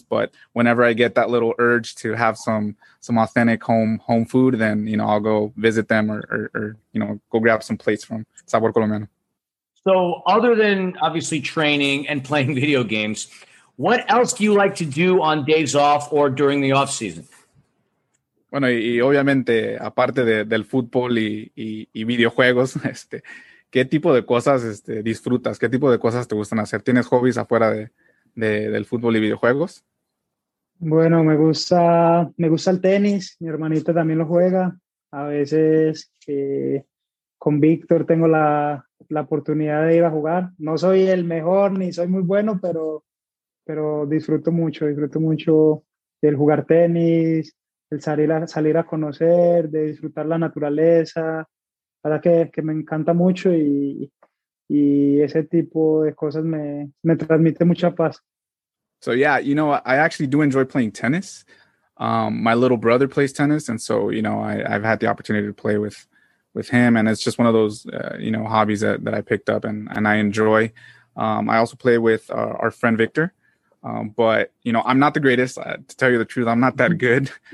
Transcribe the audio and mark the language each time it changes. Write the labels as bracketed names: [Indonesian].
[English] But whenever I get that little urge to have some authentic home food, then, you know, I'll go visit them or you know, go grab some plates from Sabor Colombiano. So other than obviously training and playing video games, what else do you like to do on days off or during the off season? [Spanish] Bueno, y obviamente, aparte del fútbol y videojuegos, ¿qué tipo de cosas disfrutas? ¿Qué tipo de cosas te gustan hacer? ¿Tienes hobbies afuera del fútbol y videojuegos? Bueno, me gusta el tenis. Mi hermanita también lo juega. A veces con Víctor tengo la oportunidad de ir a jugar. No soy el mejor ni soy muy bueno, pero disfruto mucho el jugar tenis, el salir a conocer, de disfrutar la naturaleza. La verdad que me encanta mucho y ese tipo de cosas me transmite mucha paz. [English] So yeah, you know, I actually do enjoy playing tennis. My little brother plays tennis, and so, you know, I've had the opportunity to play with him, and it's just one of those you know, hobbies that I picked up and I enjoy. I also play with our friend Victor. But, you know, I'm not the greatest, to tell you the truth. I'm not that good.